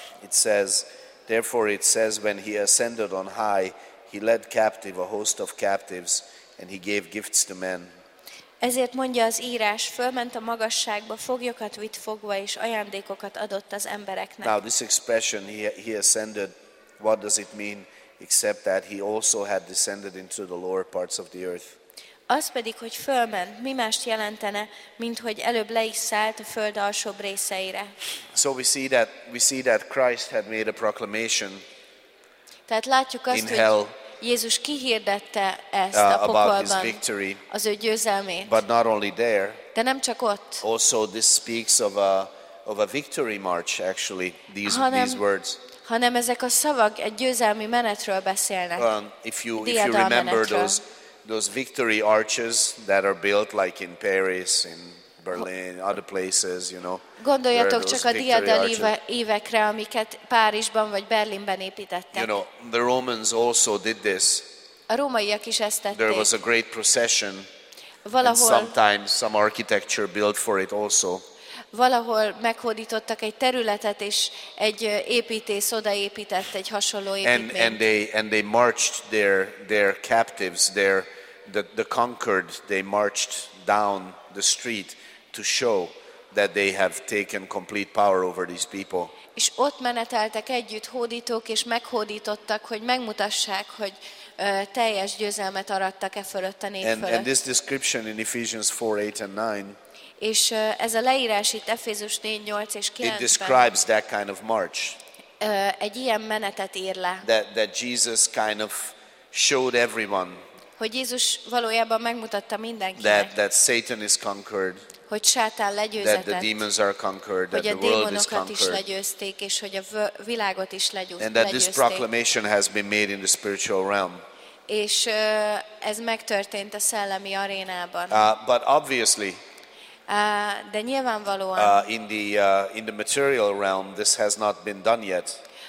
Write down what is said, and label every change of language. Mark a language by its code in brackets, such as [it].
[en] It says, therefore, it says, when he ascended on high, he led captive a host of captives, and he gave gifts to men. [hu] Ezért mondja az írás, fölment a magasságba, foglyokat vitt fogva és ajándékokat adott az embereknek. [en] Now this expression, he ascended. What does it mean? Except that he also had descended into the lower parts of the earth. [hu] Az pedig, hogy fölment, mi mást jelentene, mint hogy előbb le is szállt a föld alsóbb részeire. [en] So we see that Christ had made a proclamation. [hu] Tehát látjuk azt, hogy [en] hell, [hu] Jézus kihirdette ezt a pokolban, [en] victory, [hu] az ő győzelmét. [en] But not only there. [hu] De nem csak ott. [en] Also this speaks of a victory march actually, these words. [hu] Hanem ezek a szavak egy győzelmi menetről beszélnek. [en] If you remember those victory arches that are built like in Paris, in Berlin, other places, you know. [hu] Gondoljatok csak a diadal évekre, amiket Párizsban vagy Berlinben építettek. [en] You know, the Romans also did this. [hu] A rómaiak is ezt tették. [en] There was a great procession. [hu] Valahol. [en] Sometimes some architecture built for it also. [hu] Valahol meghódítottak egy területet és egy építész odaépített egy hasonló építményt. [en] And they marched their captives, the conquered, they marched down the street to show that they have taken complete power over these people. [hu] És ott meneteltek együtt hódítók és meghódítottak, hogy megmutassák, hogy teljes győzelmet arattak e fölött a nép fölött. [en] And this description in Ephesians 4:8-9. [hu] És ez a leírás itt Efézus 4:8 és 9-ben. [en] It describes that kind of march. [hu] Egy ilyen menetet ír le. [en] That Jesus kind of showed everyone. [hu] Hogy Jézus valójában megmutatta mindenkinek. [en] That Satan is conquered. [hu] Hogy Sátán legyőzetett. [en] That the demons are conquered. [hu] Hogy [en] that the world is conquered. [hu] Hogy a démonokat is legyőzték és hogy a világot is legyőzték. [en] And that this proclamation has been made in the spiritual realm. [hu] És ez megtörtént a szellemi arénában. [en] But obviously. [hu] De nyilvánvalóan [en] in the material realm this has not been done yet.